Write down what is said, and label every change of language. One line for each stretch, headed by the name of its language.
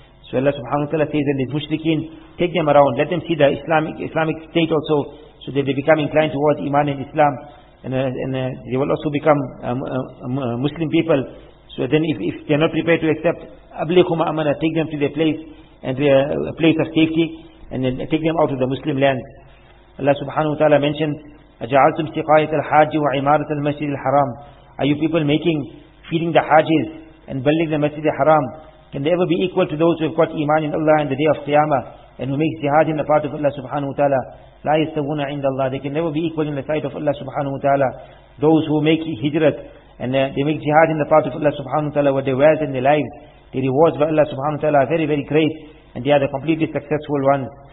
English: So Allah subhanahu wa ta'ala says that these mushrikeen, take them around, let them see the Islamic state also, so that they become inclined towards Iman and Islam, and they will also become Muslim people. So then if they are not prepared to accept,
Arabic: ablighhum amana,
English: take them to their place, and to a place of safety, and then take them out of the Muslim land.
Arabic: Allah subhanahu wa ta'ala mentioned, أَجَعَلْتُمْ سِقَايَةَ الْحَاجِ وَعِمَارَةَ الْمَسْجِدِ الْحَرَامِ.
English: Are you people making, feeding the hajis and building the Masjid al-Haram? Can they ever be equal to those who have got Iman in Allah and the Day of Qiyamah, and who make jihad in the part of Allah subhanahu wa ta'ala?
Arabic: لَا يَسْتَوُونَ عِنْدَ اللَّهِ.
English: They can never be equal in the sight of Allah subhanahu wa ta'ala. Those who make hijrat and they make jihad in the part of Allah subhanahu wa ta'ala with their wealth and their lives, the rewards by Allah subhanahu wa ta'ala are very, very great, and they are the completely successful ones.